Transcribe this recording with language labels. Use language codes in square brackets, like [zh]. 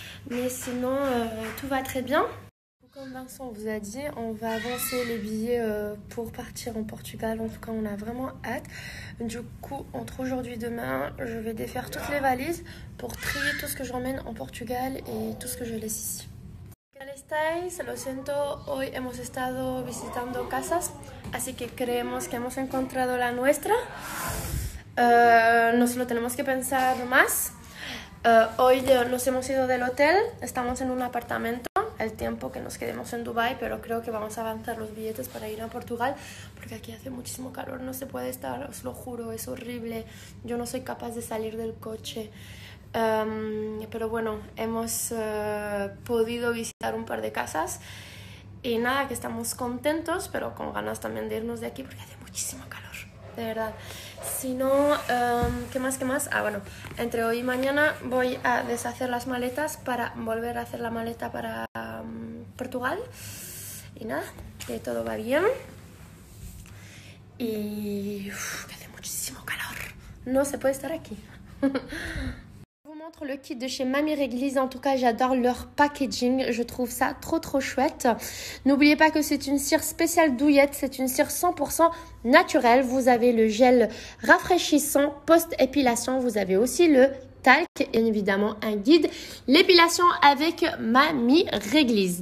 [fr] Mais sinon, tout va très bien. Comme Vincent vous a dit, on va avancer les billets pour partir en Portugal. En tout cas, on a vraiment hâte. Du coup, entre aujourd'hui et demain, je vais défaire toutes les valises pour trier tout ce que j'emmène en Portugal et tout ce que je laisse ici. [es] Lo siento, hoy hemos estado visitando casas, así que creemos que hemos encontrado la nuestra. Nos lo tenemos que pensar más. Hoy nos hemos ido del hotel, estamos en un apartamento. El tiempo que nos quedemos en Dubái, pero creo que vamos a avanzar los billetes para ir a Portugal porque aquí hace muchísimo calor, no se puede estar, os lo juro, es horrible. Yo no soy capaz de salir del coche. Pero bueno, hemos podido visitar un par de casas y nada, que estamos contentos, pero con ganas también de irnos de aquí porque hace muchísimo calor, de verdad. Si no, ¿qué más? ¿Qué más? Ah, bueno, entre hoy y mañana voy a deshacer las maletas para volver a hacer la maleta para Portugal. Y nada, que todo va bien. Y uf, que hace muchísimo calor. No se puede estar aquí. [fr] Le kit de chez Mamie Réglise, en tout cas j'adore leur packaging, je trouve ça trop trop chouette. N'oubliez pas que c'est une cire spéciale douillette, c'est une cire 100% naturelle. Vous avez le gel rafraîchissant post-épilation, vous avez aussi le talc et évidemment un guide l'épilation avec Mamie Réglise.